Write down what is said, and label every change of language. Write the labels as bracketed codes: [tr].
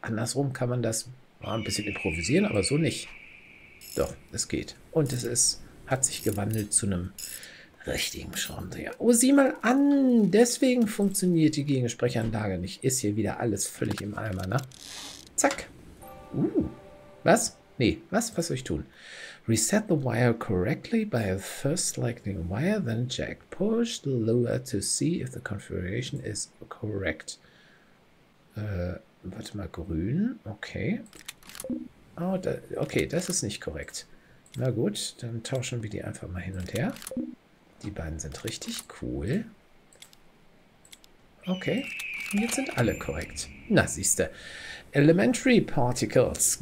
[de] Andersrum kann man das ein bisschen improvisieren, aber so nicht. Doch, es geht. Und es ist, hat sich gewandelt zu einem richtigen Schraubendreher. Oh, sieh mal an! Deswegen funktioniert die Gegensprechanlage nicht. Ist hier wieder alles völlig im Eimer, ne? Zack! Was? Nee, was? Was soll ich tun? [en] Reset the wire correctly by first selecting wire, then jack. Push the lure to see if the configuration is correct. [de] Warte mal, grün. Okay. Oh, da, okay, das ist nicht korrekt. Na gut, dann tauschen wir die einfach mal hin und her. Die beiden sind richtig cool. Okay. Und jetzt sind alle korrekt. Na, siehste. Elementary Particles.